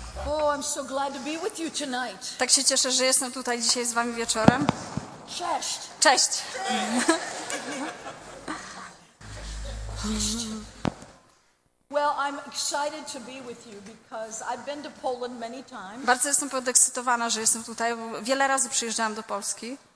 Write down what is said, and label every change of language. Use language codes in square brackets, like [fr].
[en] Oh, I'm so glad to be with you tonight. [pl] Tak się cieszę, że jestem tutaj dzisiaj z wami wieczorem. Cześć. Cześć. [en] Well, I'm excited to be with you because I've been to Poland many times. [pl] Bardzo jestem podekscytowana, że jestem tutaj, bo wiele razy przyjeżdżałam do Polski.